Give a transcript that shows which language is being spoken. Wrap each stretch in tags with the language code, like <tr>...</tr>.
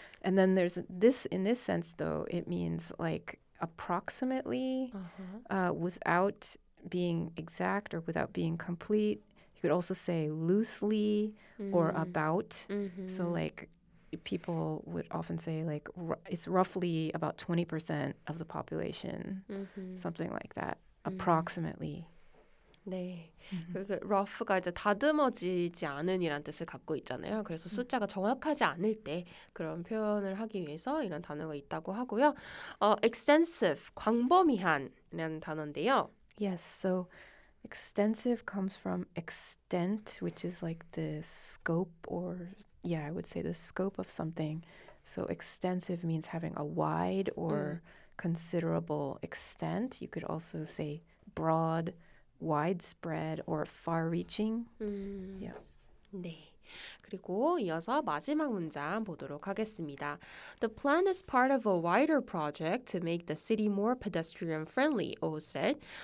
<en>And then there's this, in this sense, though, it means like approximately without being exact or without being complete. You could also say loosely or about. So like people would often say like it's roughly about 20% of the population, something like that, approximately.</en> <ko>네, 그 rough가 이제 다듬어지지 않은이란 뜻을 갖고 있잖아요. 그래서 숫자가 정확하지 않을 때 그런 표현을 하기 위해서 이런 단어가 있다고 하고요. Extensive, 광범위한이라는 단어인데요.</ko> <en>Yes, so extensive comes from extent, which is like the scope or, yeah, I would say the scope of something. So extensive means having a wide or considerable extent. You could also say broad, widespread or far-reaching.</en> <ko>네. 그리고 이어서 마지막 문장 보도록 하겠습니다.</ko> <en>The plan is part of a wider project to make the city more pedestrian friendly, O said.</en>